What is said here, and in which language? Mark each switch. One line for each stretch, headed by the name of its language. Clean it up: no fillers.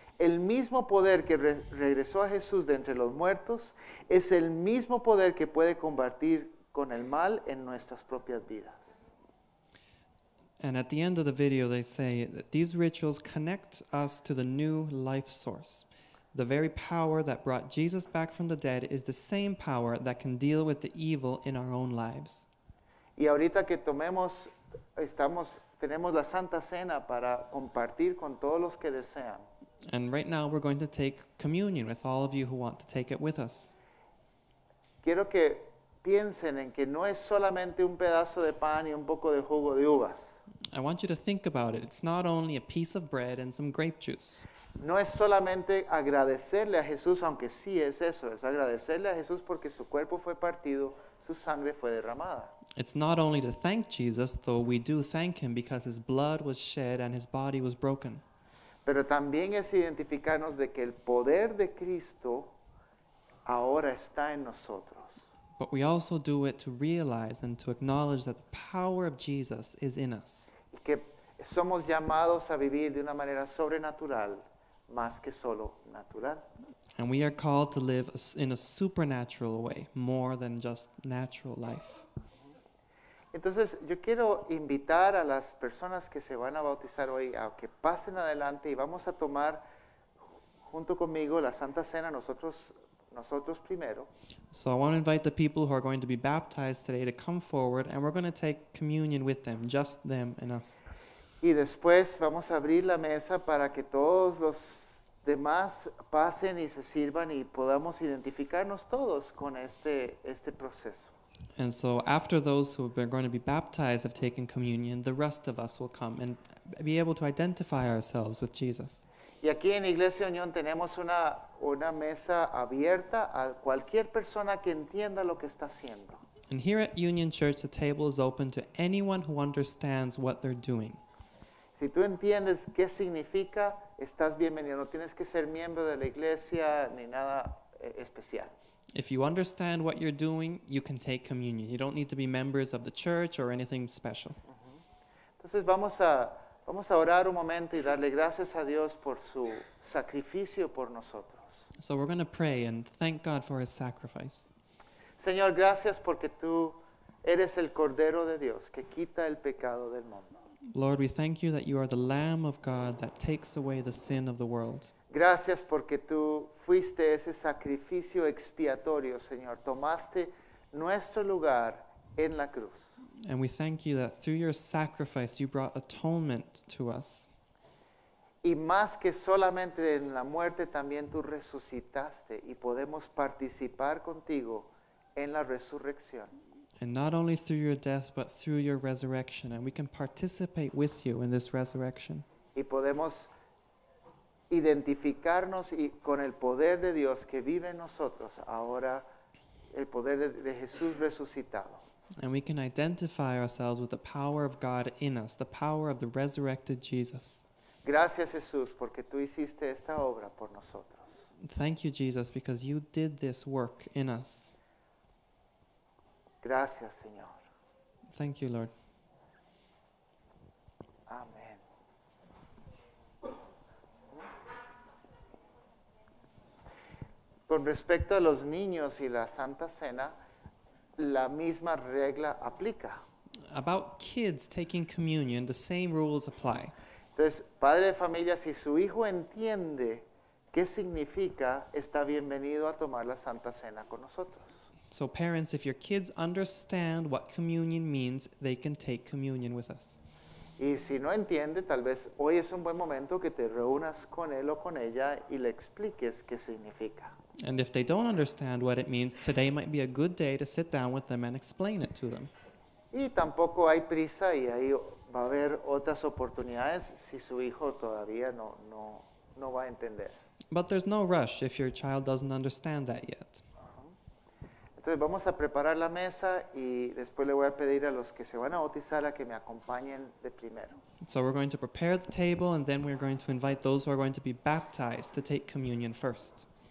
Spanish: El mismo poder que regresó a Jesús de entre los muertos es el mismo poder que puede combatir con el mal en nuestras propias vidas.
English: And at the end of the video they say that these rituals connect us to the new life source. The very power that brought Jesus back from the dead is the same power that can deal with the evil in our own lives.
Spanish: Y ahorita que tenemos la Santa Cena para compartir con todos los que desean.
English: And right now we're going to take communion with all of you who want to take it with us.
Spanish: Quiero que piensen en que no es solamente un pedazo de pan y un poco de jugo de uvas.
English: I want you to think about it. It's not only a piece of bread and some grape juice.
Spanish: No es solamente agradecerle a Jesús, aunque sí es eso. Es agradecerle a Jesús porque su cuerpo fue partido, su sangre fue derramada.
English: It's not only to thank Jesus, though we do thank Him because His blood was shed and His body was broken.
Spanish: Pero también es identificarnos de que el poder de Cristo ahora está en nosotros.
English: But we also do it to realize and to acknowledge that the power of Jesus is in us.
Spanish: Y que somos llamados a vivir de una manera sobrenatural, más que solo natural.
English: And we are called to live in a supernatural way, more than just natural life.
Spanish: Entonces, yo quiero invitar a las personas que se van a bautizar hoy a que pasen adelante y vamos a tomar junto conmigo la Santa Cena nosotros primero.
English: So I want to invite the people who are going to be baptized today to come forward and we're going to take communion with them, just them and us.
Spanish: Y después vamos a abrir la mesa para que todos los demás pasen y se sirvan y podamos identificarnos todos con este proceso.
English: And so after those who are going to be baptized have taken communion, the rest of us will come and be able to identify ourselves with Jesus.
Spanish: Y aquí en Iglesia Unión tenemos una mesa abierta a cualquier persona que entienda lo que está haciendo.
English: And here at Union Church, the table is open to anyone who understands what they're doing.
Spanish: Si tú entiendes qué significa, estás bienvenido. No tienes que ser miembro de la iglesia ni nada especial.
English: If you understand what you're doing, you can take communion. You don't need to be members of the church or anything special.
Spanish: Entonces vamos a orar un momento y darle gracias a Dios por su sacrificio por nosotros.
English: So we're going to pray and thank God for His sacrifice.
Spanish: Señor, gracias porque tú eres el Cordero de Dios que quita el pecado del mundo.
English: Lord, we thank you that you are the Lamb of God that takes away the sin of the world.
Spanish: Gracias porque tú fuiste ese sacrificio expiatorio, Señor. Tomaste nuestro lugar en la cruz.
English: And we thank you that through your sacrifice you brought atonement to us.
Spanish: Y más que solamente en la muerte, también tú resucitaste y podemos participar contigo en la resurrección.
English: And not only through your death, but through your resurrection. And we can participate with you in this resurrection.
Spanish: Y podemos identificarnos y con el poder de Dios que vive en nosotros ahora, el poder de Jesús resucitado.
English: And we can identify ourselves with the power of God in us, the power of the resurrected Jesus.
Spanish: Gracias, Jesús, porque tú hiciste esta obra por nosotros.
English: Thank you, Jesus, because you did this work in us.
Spanish: Gracias, Señor.
English: Thank you, Lord. Amen.
Spanish: Con respecto a los niños y la Santa Cena, la misma regla aplica.
English: About kids taking communion, the same rules apply.
Spanish: Entonces, padre de familia, si su hijo entiende qué significa, está bienvenido a tomar la Santa Cena con nosotros.
English: So parents, if your kids understand what communion means, they can take communion with us.
Spanish: Y si no entiende, tal vez hoy es un buen momento que te reúnas con él o con ella y le expliques qué significa.
English: And if they don't understand what it means, today might be a good day to sit down with them and explain it to them.
Spanish: Y tampoco hay prisa y ahí va a haber otras oportunidades si su hijo todavía no va a entender.
English: But there's no rush if your child doesn't understand that yet.
Spanish: Entonces vamos a preparar la mesa y después le voy a pedir a los que se van a bautizar a que me acompañen de primero.
English: So we're going to prepare the table and then we're going to invite those who are going to be baptized to take communion first.